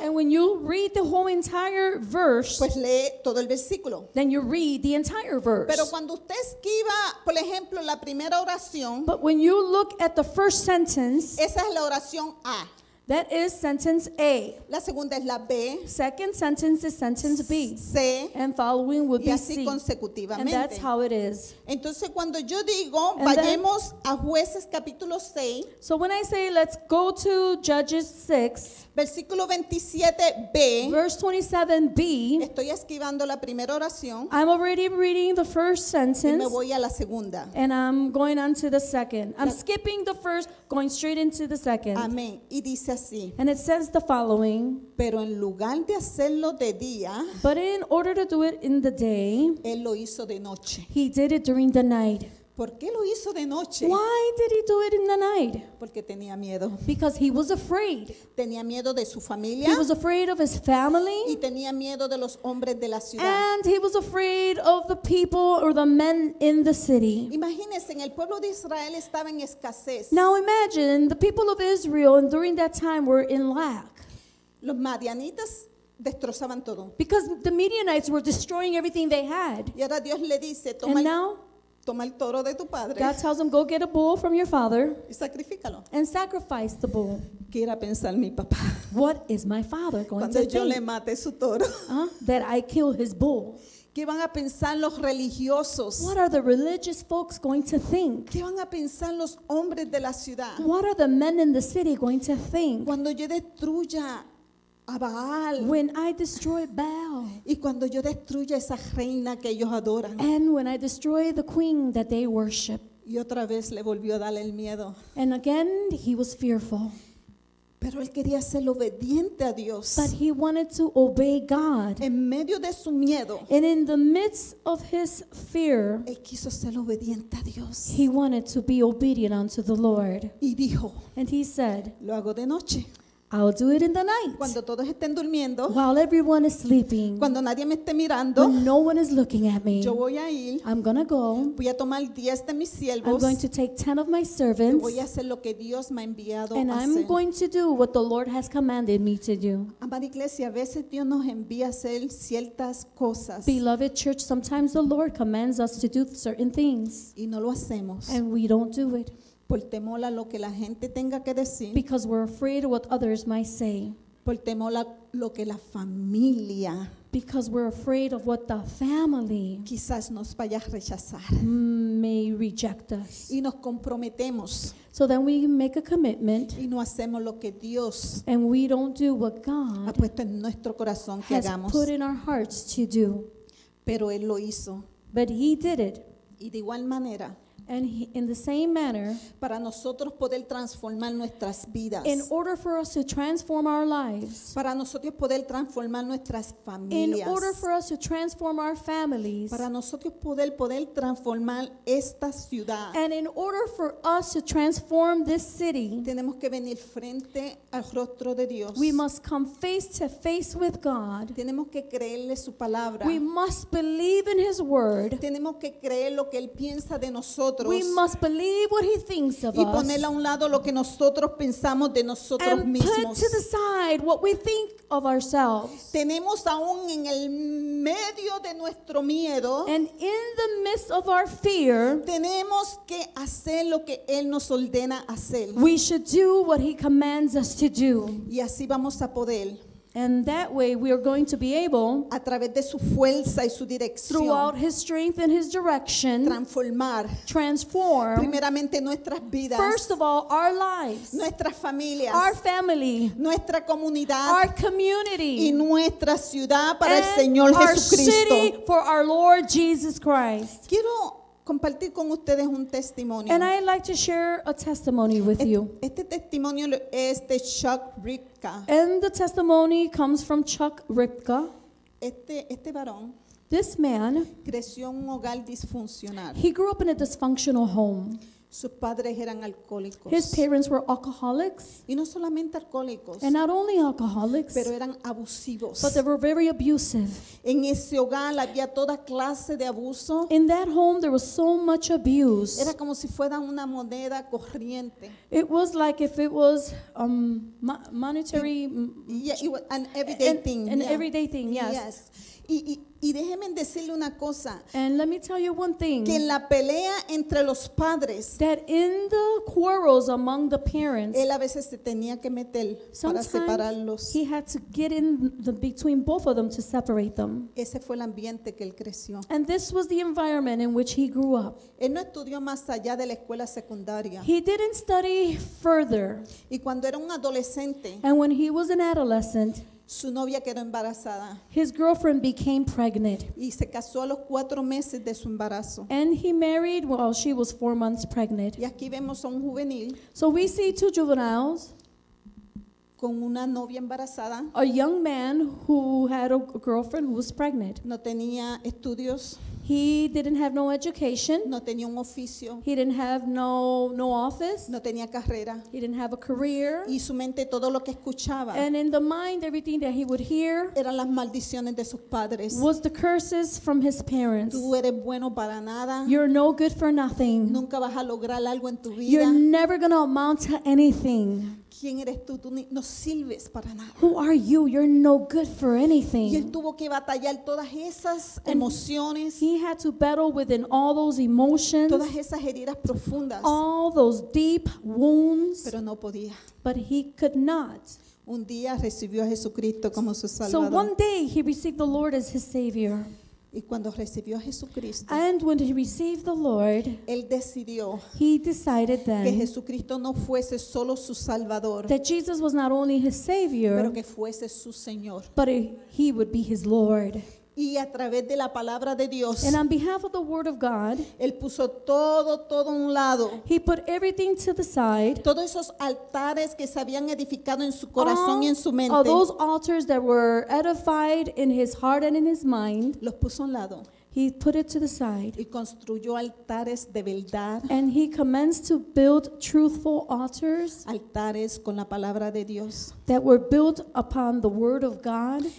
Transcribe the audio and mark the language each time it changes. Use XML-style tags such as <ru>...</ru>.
<en>and when you read the whole entire verse,</en> <es>pues lee todo el versículo,</es> <en>then you read the entire verse.</en> <es>Pero cuando usted esquiva, por ejemplo, la primera oración,</es> <en>but when you look at the first sentence,</en> <es>esa es la oración A.</es> <en>That is sentence A.</en> <es>La segunda es la B.</es> <en>Second sentence is sentence B.</en> <es>C.</es> <en>And following would be C.</en> <es>Y así consecutivamente.</es> <en>And that's how it is.</en> <es>Entonces cuando yo digo,</es> <en>and</en> <es>vayamos</es> <en>then,</en> <es>a Jueces capítulo 6.</es> <en>So when I say let's go to Judges 6.</en> <es>Versículo 27B.</es> <en>Verse 27B.</en> <es>Estoy esquivando la primera oración.</es> <en>I'm already reading the first sentence.</en> <es>Y me voy a la segunda.</es> <en>And I'm going on to the second. I'm skipping the first, going straight into the second.</en> <es>Amén. Y dice así.</es> <en>And it says the following.</en> <es>Pero en lugar de hacerlo de día,</es> <en>but in order to do it in the day,</en> <es>él lo hizo de noche.</es> <en>He did it during the night.</en> <es>¿Por qué lo hizo de noche?</es> <en>Why did he do it in the night?</en> <es>Porque tenía miedo.</es> <en>Because he was afraid.</en> <es>Tenía miedo de su familia.</es> <en>He was afraid of his family.</en> <es>Y tenía miedo de los hombres de la ciudad.</es> <en>And he was afraid of the people or the men in the city.</en> <es>Imagínense, el pueblo de Israel estaba en escasez.</es> <en>Now imagine, the people of Israel during that time were in lack.</en> <es>Los madianitas destrozaban todo.</es> <en>Because the Midianites were destroying everything they had.</en> <es>Y ahora Dios le dice, toma.</es> <en>And now,</en> <es>toma el toro de tu padre.</es> <en>God tells him, go get a bull from your father</en> <es>y sacrifícalo.</es> <en>And sacrifice the bull.</en> <es>¿Qué era pensar mi papá?</es> <en>What is my father going</en> <es>cuando</es> <en>to think?</en> <es>Cuando yo le mate su toro.</es> <en>That I kill his bull.</en> <es>¿Qué van a pensar los religiosos?</es> <en>What are the religious folks going to think?</en> <es>¿Qué van a pensar los hombres de la ciudad?</es> <en>What are the men in the city going to think?</en> <es>Cuando yo destruya a Baal.</es> <en>When I destroy Baal.</en> <es>Y cuando yo destruya esa reina que ellos adoran.</es> <en>And when I destroy the queen that they worship.</en> <es>Y otra vez le volvió a darle el miedo.</es> <en>And again he was fearful.</en> <es>Pero él quería ser obediente a Dios.</es> <en>But he wanted to obey God.</en> <es>En medio de su miedo.</es> <en>And in the midst of his fear.</en> <es>Él quiso ser obediente a Dios.</es> <en>He wanted to be obedient unto the Lord.</en> <es>Y dijo.</es> <en>And he said.</en> <es>Lo hago de noche.</es> <en>I'll do it in the night.</en> <es>Cuando todos estén durmiendo,</es> <en>while everyone is sleeping.</en> <es>Cuando nadie me esté mirando,</es> <en>when no one is looking at me.</en> <es>Yo voy a ir,</es> <en>I'm going to go.</en> <es>Voy a tomar 10 de mis siervos,</es> <en>I'm going to take 10 of my servants.</en> <es>Y voy a hacer lo que Dios me ha enviado</es> <en>and</en> <es>a</es> <en>I'm</en> <es>hacer.</es> <en>Going to do what the Lord has commanded me to do.</en> <es>Amada iglesia, a veces Dios nos envía a hacer ciertas cosas.</es> <en>Beloved church, sometimes the Lord commands us to do certain things.</en> <es>Y no lo hacemos.</es> <en>And we don't do it.</en> <es>Por temor a lo que la gente tenga que decir.</es> <en>Because we're afraid of what others might say.</en> <es>Por temor a lo que la familia.</es> <en>Because we're afraid of what the family.</en> <es>Quizás nos vaya a rechazar.</es> <en>May reject us.</en> <es>Y nos comprometemos.</es> <en>So then we make a commitment.</en> <es>Y no hacemos lo que Dios.</es> <en>And we don't do what God.</en> <es>Ha puesto en nuestro corazón que hagamos.</es> <en>Has put in our hearts to do.</en> <es>Pero él lo hizo.</es> <en>But he did it.</en> <es>Y de igual manera.</es> <en>And he, in the same manner,</en> <es>para nosotros poder transformar nuestras vidas,</es> <en>in order for us to transform our lives,</en> <es>para nosotros poder transformar nuestras familias,</es> <en>in order for us to transform our families,</en> <es>para nosotros poder transformar esta ciudad,</es> <en>and in order for us to transform this city,</en> <es>tenemos que venir frente al rostro de Dios.</es> <en>We must come face to face with God.</en> <es>Tenemos que creerle su palabra.</es> <en>We must believe in His word.</en> <es>Tenemos que creer lo que Él piensa de nosotros. nosotros.</es> <en>We must believe what he thinks of us.</en> <es>Y poner a un lado lo que nosotros pensamos de nosotros</es> <en>and</en> <es>mismos.</es> <en>And put to the side what we think of ourselves.</en> <es>Tenemos aún en el medio de nuestro miedo.</es> <en>And in the midst of our fear.</en> <es>Tenemos que hacer lo que él nos ordena hacer.</es> <en>We should do what he commands us to do.</en> <es>Y así vamos a poder.</es> <en>And that way we are going to be able,</en> <es>a través de su fuerza y su dirección,</es> <en>throughout his strength and his direction,</en> <es>transformar,</es> <en>transform,</en> <es>primeramente nuestras vidas,</es> <en>first of all our lives,</en> <es>nuestras familias,</es> <en>our family,</en> <es>nuestra comunidad,</es> <en>our community,</en> <es>y nuestra ciudad para</es> <en>and</en> <es>el Señor</es> <en>our</en> <es>Jesucristo.</es> <en>City for our Lord Jesus Christ.</en> <es>Quiero compartir con ustedes un testimonio.</es> <en>And I'd like to share a testimony with you.</en> <es>Este testimonio es de Chuck Ripka.</es> <en>And the testimony comes from Chuck Ripka.</en> <es>Este varón,</es> <en>this man,</en> <es>creció en un hogar disfuncional.</es> <en>He grew up in a dysfunctional home.</en> <es>Sus padres eran alcohólicos.</es> <en>His parents were alcoholics.</en> <es>Y no solamente alcohólicos.</es> <en>And not only alcoholics.</en> <es>Pero eran abusivos.</es> <en>But they were very abusive.</en> <es>En ese hogar había toda clase de abuso.</es> <en>In that home there was so much abuse.</en> <es>Era como si fuera una moneda corriente.</es> <en>It was like if it was monetary. An everyday thing.</en> <es>Y déjenme decirle una cosa.</es> <en>And let me tell you one thing.</en> <es>Que en la pelea entre los padres,</es> <en>that in the quarrels among the parents,</en> <es>él a veces se tenía que meter para separarlos.</es> <en>He had to get in the, between both of them to separate them.</en> <es>Ese fue el ambiente que él creció.</es> <en>And this was the environment in which he grew up.</en> <es>Él no estudió más allá de la escuela secundaria.</es> <en>He didn't study further.</en> <es>Y cuando era un adolescente,</es> <en>and when he was an adolescent,</en> <es>su novia quedó embarazada.</es> <en>His girlfriend became pregnant.</en> <es>Y se casó a los 4 meses de su embarazo.</es> <en>And he married while she was 4 months pregnant.</en> <es>Y aquí vemos a un juvenil.</es> <en>So we see 2 juveniles.</en> <es>Con una novia embarazada.</es> <en>A young man who had a girlfriend who was pregnant.</en> <es>No tenía estudios.</es> <en>He didn't have no education.</en> <es>No tenía un oficio.</es> <en>He didn't have no office.</en> <es>No tenía carrera.</es> <en>He didn't have a career.</en> <es>Y su mente todo lo que escuchaba.</es> <en>And in the mind everything that he would hear.</en> <es>Eran las maldiciones de sus padres.</es> <en>Was the curses from his parents.</en> <es>Tú eres bueno para nada.</es> <en>You're no good for nothing.</en> <es>Nunca vas a lograr algo en tu vida.</es> <en>You're never gonna amount to anything.</en> <es>¿Quién eres tú? Tú no sirves para nada.</es> <en>Who are you? You're no good for anything.</en> <es>Y él tuvo que batallar todas esas emociones.</es> <en>He had to battle within all those emotions.</en> <es>Todas esas heridas profundas.</es> <en>All those deep wounds.</en> <es>Pero no podía.</es> <en>But he could not.</en> <es>Un día recibió a Jesucristo como su Salvador.</es> <en>So one day he received the Lord as his Savior.</en> <es>Y cuando recibió a Jesucristo,</es> <en>and when he received the Lord,</en> <es>él decidió,</es> <en>he decided then,</en> <es>que Jesucristo no fuese solo su Salvador,</es> <en>that Jesus was not only his Savior,</en> <es>pero que fuese su Señor,</es> <en>but he would be his Lord.</en> <es>Y a través de la palabra de Dios,</es> <en>and on behalf of the word of God,</en> <es>él puso todo a un lado,</es> <en>he put everything to the side,</en> <es>todos esos altares que se habían edificado en su corazón y en su mente,</es> <en>all those altars that were edified in his heart and in his mind,</en> <es>los puso a un lado.</es> <en>He put it to the side.</en> <es>Y construyó altares de verdad.</es> <en>And he commenced to build truthful altars.</en> <es>Altares con la palabra de Dios.</es> <en>That were built upon the word of God.</en>